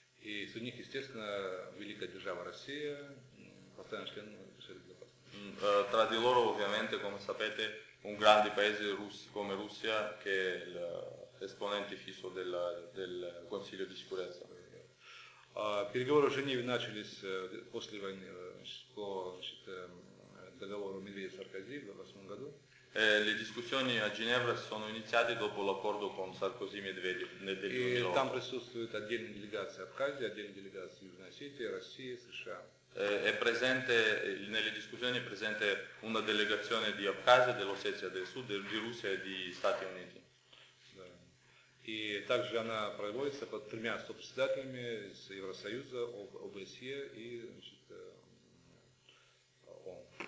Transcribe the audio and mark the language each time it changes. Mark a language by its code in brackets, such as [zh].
[ru] И среди них, естественно, великая держава Россия, постоянный член Совета Безопасности. [it] Tra di loro, ovviamente, come sapete, un grande paese come Russia, che è l'esponente fisso del Consiglio di Sicurezza. [ru] Переговоры в Женеве начались после войны, по договору Медведев-Саркози в 2008 году. [it] Le discussioni a Ginevra sono iniziate dopo l'accordo con Sarkozy Medvedev nel [ru] 2008. E там присутствует отдельная делегация Абхазии, отдельная делегация Южной Осетии, России, США. [it] È presente nelle discussioni presente una delegazione di Abkhazia, dell'Ossetia del Sud, di Russia e di Stati Uniti. [ru] Да. И также она проводится под тремя сопредседателями из Евросоюза, ОБСЕ и ООН.